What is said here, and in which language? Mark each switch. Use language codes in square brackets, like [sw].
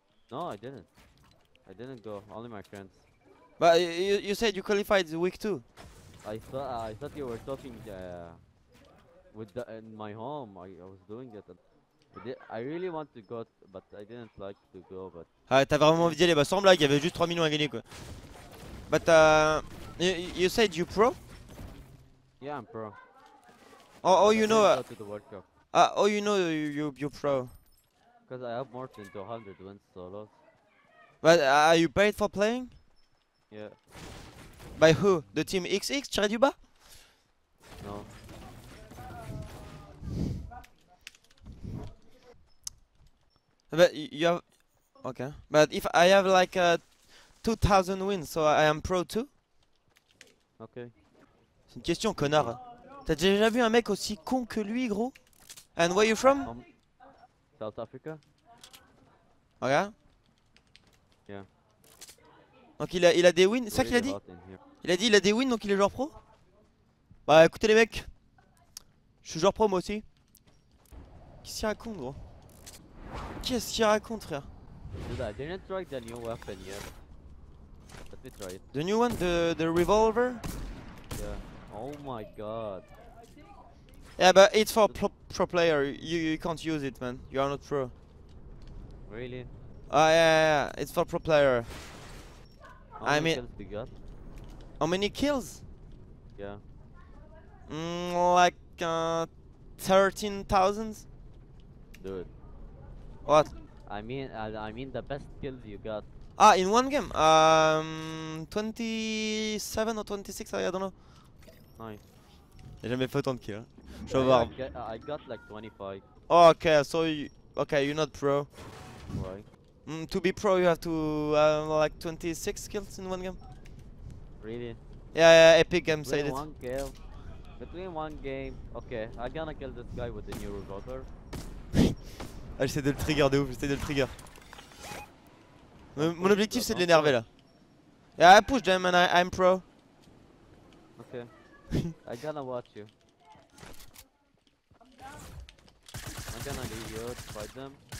[en] No, I didn't. I didn't go, only my friends. But you said you qualified week 2. I thought you were talking with the, in my home, I was doing it. I really want to go, but I didn't like to go, but... [fr] Ah, t'as vraiment envie d'y aller, bah sans blague, il y avait juste 3 millions à gagner, quoi. [en] But, you said you pro? Yeah, I'm pro. Oh, you know... To the World Cup. You know you pro. Because I have more than 200 wins solos. But, are you paid for playing? Yeah. By who? The team XX, Chared Yuba? No. But you have, okay. But if I have like 2,000 wins, so I am pro too. Okay. [fr] C'est une question, connard. T'as déjà vu un mec aussi con que lui, gros? [en] And where you from? South Africa. Okay. Yeah. [fr] Donc il a des wins. C'est ça qu'il a dit? Il a dit il a des wins, donc il est joueur pro? Bah écoutez les mecs, je suis joueur pro moi aussi. Qu'est-ce qu'il raconte, gros? Qu'est-ce qu'il raconte, frère? [en] Dude, I didn't try the new weapon yet. Let me try it. The new one? The revolver? Yeah. Oh my god. Yeah, but it's for pro player. You can't use it, man. You are not pro. Really? Yeah. It's for pro player. How many kills do you got? How many kills? Yeah. Like 13,000? Dude. What? I mean the best kills you got. Ah, in one game? 27 or 26, I don't know. Nice. [fr] J'ai jamais fait autant de kills. Je vais voir. [en] I got like 25. Oh, okay, so you're not pro. Why? To be pro, you have to like 26 kills in one game. Really? Yeah, Epic Games said it. Between one game, okay, I'm gonna kill this guy with the new revolver. [fr] Ah, j'essaie de le trigger de ouf, j'essaie de le trigger. Mon objectif c'est de l'énerver là. [en] Yeah, I push them and I'm pro. Okay. I gonna watch you. I'm gonna leave you to fight them.